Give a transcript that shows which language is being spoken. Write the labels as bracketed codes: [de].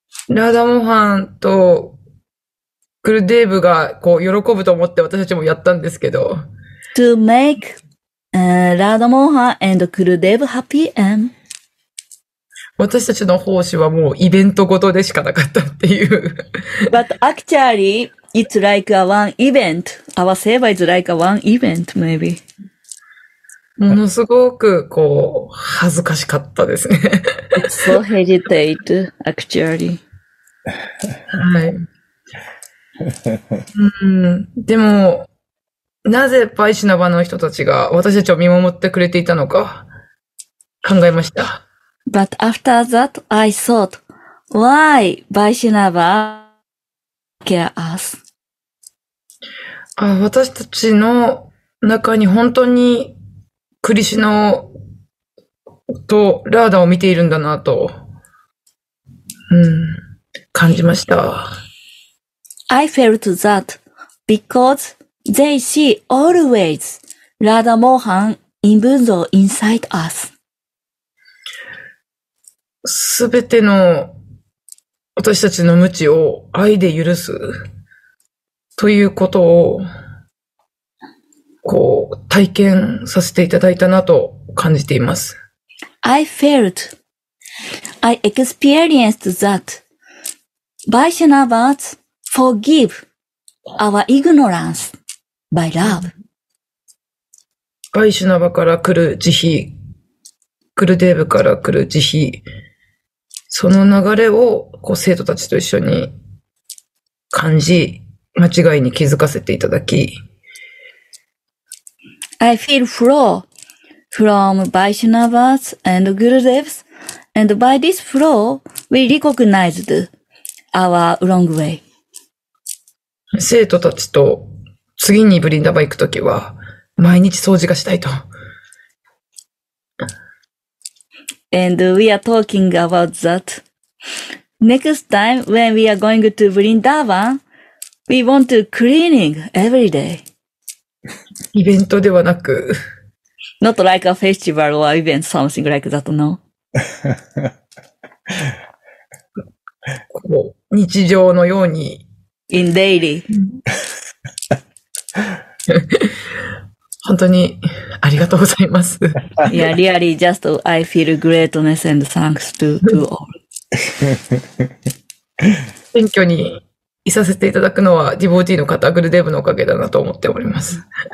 [ja] Radha Mohan とグルデーブがこう喜ぶと思って私たちもやったんですけど。 [en] To make, Radha Mohan and グルデーブ happy and [ja] 私たちの奉仕はもうイベントごとでしかなかったっていう。 [en] But actually,It's like a one event. Our seva is like a one event, maybe. [ja] ものすごくこう恥ずかしかったですね。 [en] It's so hesitate, actually. [ja] はい。でも、なぜバイシナバの人たちが私たちを見守ってくれていたのか考えました。 [en] But after that, I thought, why バイシナバ care us? [ja] 私たちの中に本当にクリシナをとラーダを見ているんだなと、感じました。 [en] I felt that because they see always Radha Mohan in Bunzo inside us. [ja] すべての私たちの無知を愛で許すということを、こう、体験させていただいたなと感じています。 [en] I experienced that Vaishnavas forgive our ignorance by love. [ja] Vaishnava から来る慈悲、グルデーブから来る慈悲、その流れをこう生徒たちと一緒に感じ、間違いに気づかせていただき。 [en] I feel flow from Vaishnavas and Gurudevs, and by this flow, we recognized our wrong way. [ja] 生徒たちと次にブリンダバ行くときは、毎日掃除がしたいと。 [en] And we are talking about that. Next time when we are going to Vrindavan, we want to cleaning every day. [ja] イベントではなく。 [en] Not like a festival or event, something like that, no? [ja] 日常のように。 [en] In daily. [ja] 本当にありがとうございます。 [en] いや、really, just I feel greatness and thanks to you all. [ja] 謙虚にいさせていただくのは、ディボーティーの方、グルデーブのおかげだなと思っております。